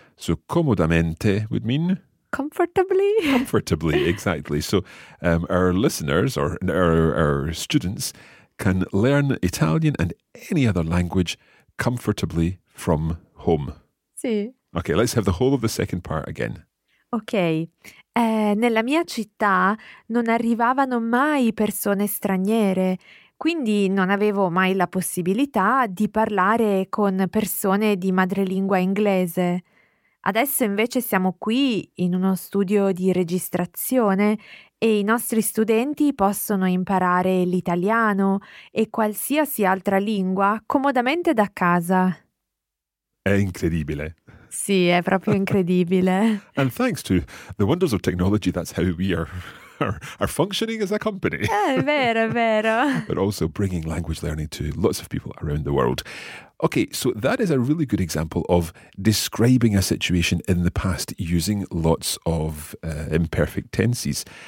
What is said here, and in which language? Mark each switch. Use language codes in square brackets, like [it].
[en] So comodamente would mean... comfortably. Comfortably, exactly. So our listeners or our students can learn Italian and any other language comfortably from home. [it] Sì. [en] Okay, let's have the whole of the second part again. [it] Ok, nella mia città non arrivavano mai persone straniere, quindi non avevo mai la possibilità di parlare con persone di madrelingua inglese. Adesso invece siamo qui in uno studio di registrazione e I nostri studenti possono imparare l'italiano e qualsiasi altra lingua comodamente da casa. È incredibile. Sì, è proprio incredibile. [en] And thanks to the wonders of technology, that's how we are functioning as a company. [it] È vero. [en] But also bringing language learning to lots of people around the world. Okay, so that is a really good example of describing a situation in the past using lots of imperfect tenses.